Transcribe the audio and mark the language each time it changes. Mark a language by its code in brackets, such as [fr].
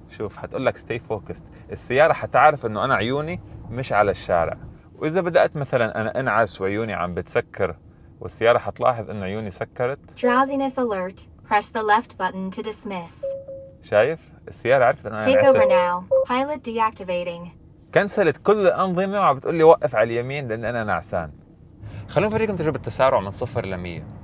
[ar] شوف هتقولك [en] stay focused، [ar] السيارة هتعرف أنه أنا عيوني مش على الشارع. وإذا بدأت مثلاً أنا أنعس وعيوني عم بتسكر، والسيارة هتلاحظ أن عيوني سكرت، [en] drowsiness alert, press the left button to dismiss. [ar] شايف؟ السيارة عرفت أنه أنا [en] take over now, pilot deactivating. [ar] كنسلت كل الأنظمة وعم بتقول لي وقف على اليمين لأن أنا نعسان. خلونا نفرجيكم تجربة التسارع من 0 إلى 100.